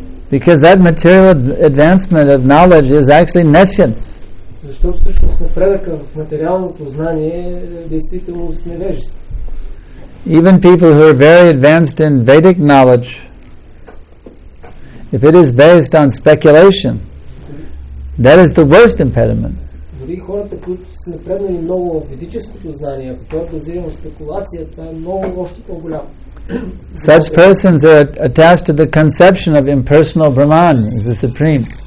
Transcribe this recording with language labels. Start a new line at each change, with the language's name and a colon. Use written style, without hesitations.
English: Because that material advancement of knowledge is actually nescience.
Bulgarian: Защо всъщност напредъка в материалното знание е действително с невежество.
English: Even people who are very advanced in Vedic knowledge, if it is based on speculation, that is the worst impediment.
Bulgarian: Дори хората, които са напреднали много в ведическото знание, ако това е базирано спекулация, това е много още по-голямо.
English: Such persons are attached to the conception of impersonal Brahman, the Supreme.